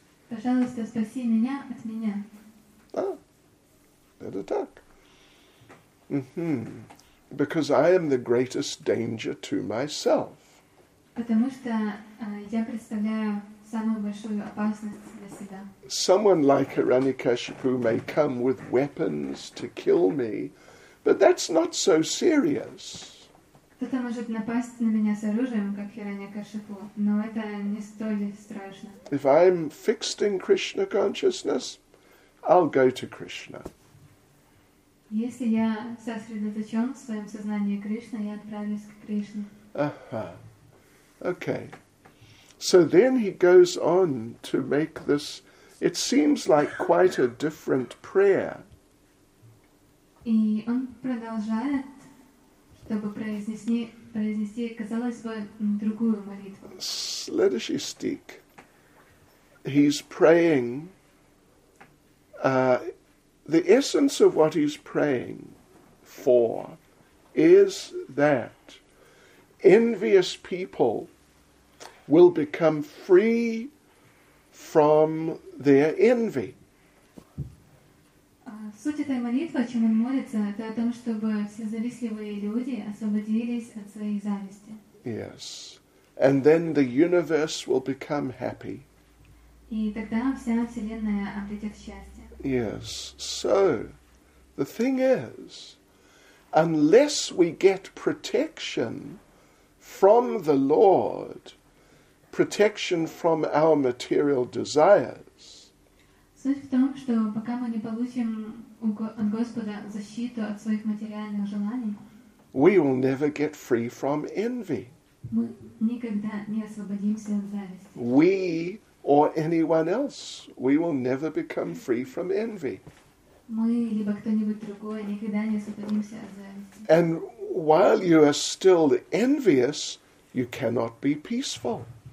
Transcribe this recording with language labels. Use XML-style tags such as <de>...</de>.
<ru>Пожалуйста, спаси меня от меня. Это так. Mm-hmm.</ru> <en>Because I am the greatest danger to myself.</en> <ru>Потому что я представляю самую большую опасность для себя.</ru> <en>Someone like Hiranyakashipu may come with weapons to kill me, but that's not so serious.</en> <ru>Кто-то может напасть на меня с оружием, как Хираньякашипу, но это не столь страшно.</ru> <en>If I'm fixed in Krishna consciousness, I'll go to Krishna.</en> <ru>Если я сосредоточен в своем сознании Кришна, я отправлюсь к Кришне. Ага. Okay.</ru> <en>So then he goes on to make this, it seems like quite a different prayer.</en> <ru>И он продолжает, чтобы произнести, казалось бы, другую молитву. Следующий стих.</ru> <en>He's praying. The essence of what he's praying for is that envious people will become free from their envy.</en> <ru>Суть этой молитвы, о чем он молится, это о том, чтобы все завистливые люди освободились от своей зависти.</ru> <en>Yes. And then the universe will become happy.</en> <ru>И тогда вся Вселенная обретет счастье.</ru> <en>Yes, so the thing is, unless we get protection from the Lord, protection from our material desires,</en> <ru>суть в том, что пока мы не получим от Господа защиту от своих материальных желаний,</ru> <en>we will never get free from envy.</en> <ru>Мы никогда не освободимся от зависти.</ru> <en>Or anyone else, we will never become free from envy. And while you are still envious, you cannot be peaceful.</en>